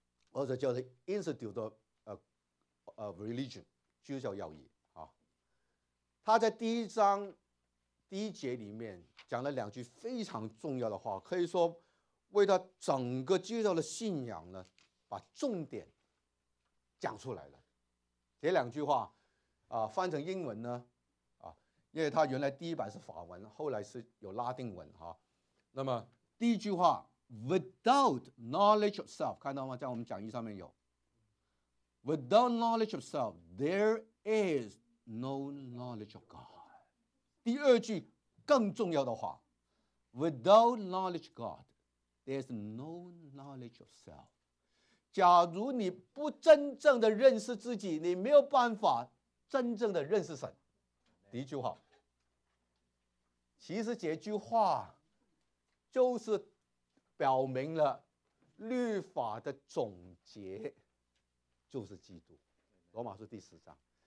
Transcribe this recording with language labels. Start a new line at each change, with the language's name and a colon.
Chinese: 或者叫做 Institute of、Religion 基督教要义、啊、他在第一章第一节里面讲了两句非常重要的话，可以说为他整个基督教的信仰呢把重点讲出来了。这两句话、翻成英文呢、啊、因为他原来第一版是法文，后来是有拉丁文、啊、那么第一句话
English: Without knowledge of self，
Chinese: 看到吗？在我们讲义上面有
English: Without knowledge of self there is no knowledge of God。
Chinese: 第二句更重要的话
English: Without knowledge of God there's no knowledge of self。
Chinese: 假如你不真正的认识自己，你没有办法真正的认识神。第一句话其实这句话就是表明了律法的总结就是基督，罗马书第四章。